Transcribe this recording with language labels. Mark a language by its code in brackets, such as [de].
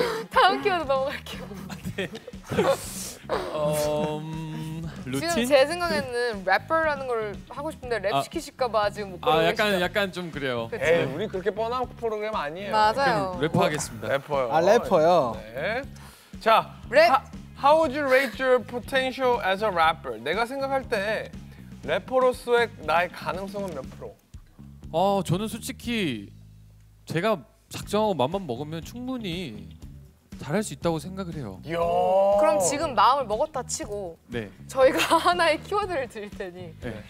[ko] 다음 키워드 넘어갈게요. 네. 루틴? 지금 제 생각에는 래퍼라는 걸 하고 싶은데 랩 시키실까 봐 지금 못 고르겠어요. 약간 좀 그래요. 그치? 에이, 우리 그렇게 뻔한 프로그램 아니에요. 맞아요. 래퍼 하겠습니다. 래퍼요. 래퍼요? 네. 자, 랩! [en] How would you rate your potential as a rapper? [ko] 내가 생각할 때 래퍼로서의 나의 가능성은 몇 프로? 저는 솔직히 제가 작정하고 맘만 먹으면 충분히 잘할 수 있다고 생각을 해요. 그럼 지금 마음을 먹었다 치고 네. 저희가 하나의 키워드를 드릴 테니 네.